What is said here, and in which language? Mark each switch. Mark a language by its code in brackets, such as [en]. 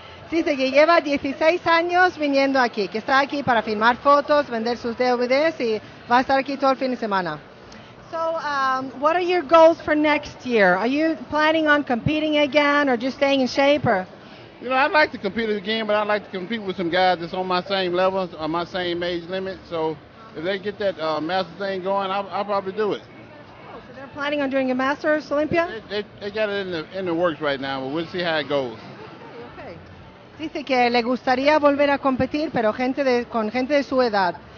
[es] Dice que lleva 16 años viniendo aquí, que está aquí para firmar fotos, vender sus DVDs y va a estar aquí todo el fin de semana. [en] So, what are your goals for next year? Are you planning on competing again or just staying in shape? Or? You know, I'd like to compete again, but I'd like to compete with some guys that's on my same level or my same age limit. So, if they get that Masters thing going, I'll probably do it. Oh, so they're planning on doing a Masters Olympia? They got it in the works right now, but we'll see how it goes. Okay. [es] Dice que le gustaría volver a competir, pero con gente de su edad.